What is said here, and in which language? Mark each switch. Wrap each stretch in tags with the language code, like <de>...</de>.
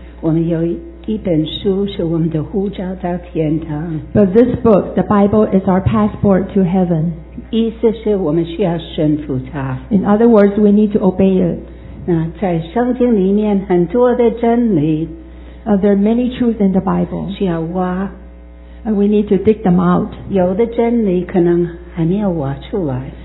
<zh>我们有一本书是我们的护照到天堂。But</zh> <en>this book, the Bible, is our passport to heaven.</en> <zh>意思是我们需要顺服它。In</zh> <en>other words, we need to obey it.</en> <zh>那在圣经里面很多的真理。There</zh> <en>are many truths in the Bible.</en> <zh>需要挖。</zh> <en>We need to dig them out.</en> <zh>有的真理可能还没有挖出来。</zh>